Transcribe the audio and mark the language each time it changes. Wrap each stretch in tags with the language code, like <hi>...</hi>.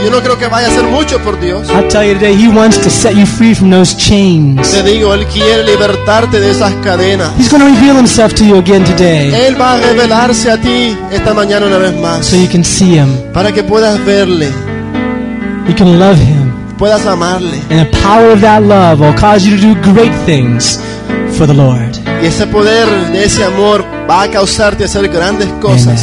<en>I tell you today, He wants to set you free from those chains.</en> <es>Te digo, Él quiere libertarte de esas cadenas.</es> <en>He's going to reveal Himself to you again today.</en> <es>Él va a revelarse a ti esta mañana una vez más.</es> <en>So you can see Him.</en> <es>Para que puedas verle.</es> <en>You can love Him.</en> <es>Puedas amarle.</es> <en>And the power of that love will cause you to do great things for the Lord.</en> <es>Y ese poder de ese amor va a causarte a hacer grandes cosas.</es>